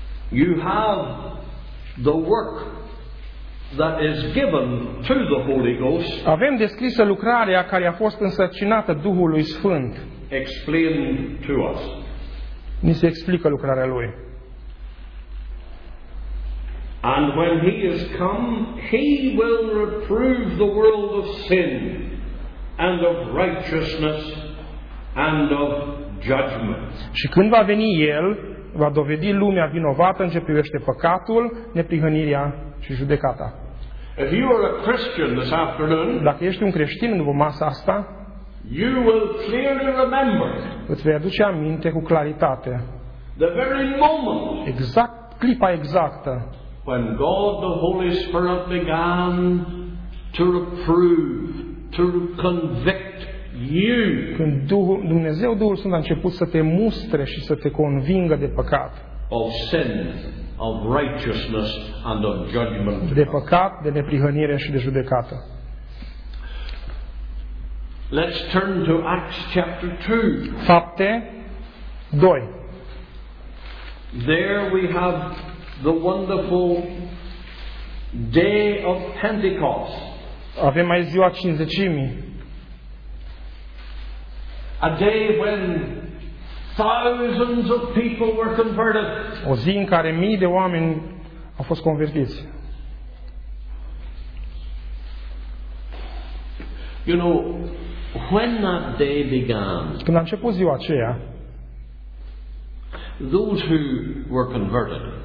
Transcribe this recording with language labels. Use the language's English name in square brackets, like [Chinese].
[English] you have the work that is given to the Holy Ghost. [Romanian] Avem descrisă lucrarea care a fost însărcinată Duhului Sfânt. [English] Explain to us. [Romanian] Ni se explică lucrarea lui. [English] And when he is come, he will reprove the world of sin and of righteousness and of judgment. [Romanian] Și când va veni el, va dovedi lumea vinovată în ce privește păcatul, neprihănirea și judecata. [English] If you are a Christian this afternoon, [Romanian] dacă ești un creștin după masa asta, [English] you will clearly remember, [Romanian] îți vei aduce aminte cu claritate, [English] the very moment, [Romanian] exact clipa exactă, [English] when God the Holy Spirit began to reprove, to convict you, [Romanian] când Dumnezeu Duhul Sfânt a început să te mustre și să te convingă de păcat, [English] of sin, of righteousness and of judgment. [Romanian] De păcat, de neprihănire și de judecată. [English] Let's turn to Acts chapter 2. [Romanian] Fapte 2. [English] There we have the wonderful day of Pentecost. [Romanian] Avem mai ziua cincizecimii. [English] A day when thousands of people were converted. [Romanian] O zi în care mii de oameni au fost convertiți. [English] You know, when that day began, [Romanian] când a început ziua aceea, [English] those who were converted,